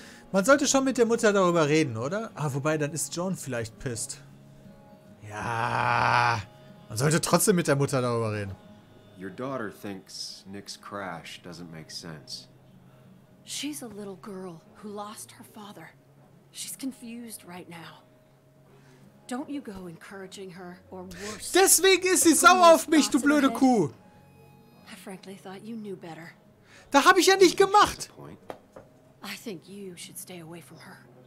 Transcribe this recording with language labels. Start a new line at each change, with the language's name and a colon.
German: Man sollte schon mit der Mutter darüber reden, oder? Ah, wobei, dann ist Joan vielleicht pissed. Ja. Man sollte trotzdem mit der Mutter darüber reden.
English: Your daughter thinks Nick's crash doesn't make sense. She's a little girl who lost her father. She's confused right now. Don't you go encouraging her or worse.
German: Deswegen ist sie sauer auf mich, du blöde Kuh.
English: I frankly thought you knew better.
German: Da habe ich ja nicht gemacht.
English: I think you should stay away from her.